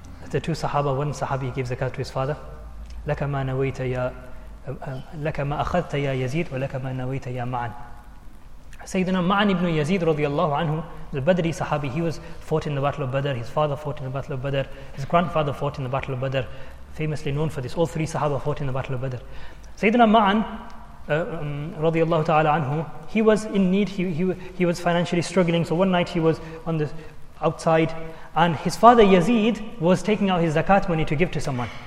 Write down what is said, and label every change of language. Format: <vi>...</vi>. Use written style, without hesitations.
<en>The two Sahaba, one Sahabi gives zakat to his father.</en> <ar>لَكَ مَا نَوَيْتَ يَا لك ما أخذت يا يزيد ولك ما نويت يا معن.</ar> <en>Sayyidina Ma'an ibn Yazid radiallahu anhu, the Badri Sahabi, he was fought in the Battle of Badr, his father fought in the Battle of Badr, his grandfather fought in the Battle of Badr, famously known for this. All three Sahaba fought in the Battle of Badr. Sayyidina Ma'an radiallahu ta'ala anhu, he was in need, he was financially struggling. So one night he was on the outside and his father Yazid was taking out his zakat money to give to someone.</en>